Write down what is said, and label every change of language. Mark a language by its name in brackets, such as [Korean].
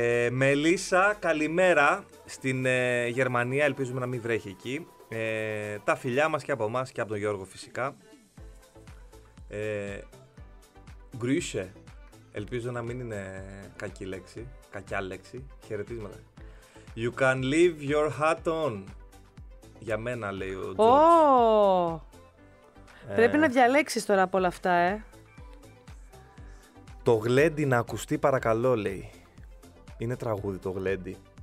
[Greek] Μελίσσα, καλημέρα στην Γερμανία. Ελπίζουμε να μην βρέχει εκεί. Τα φιλιά μας και από εμάς και από τον Γιώργο φυσικά. Γκρούσε. Ελπίζω να μην είναι κακή λέξη. Κακιά λέξη. Χαιρετίσματα. [English] You can leave your hat on. [Greek] Για μένα, λέει ο Τζορτζ. Πρέπει να διαλέξεις τώρα από όλα αυτά, Το γλέντι να ακουστεί παρακαλώ, λέει. Είναι τραγούδι το γλέντι.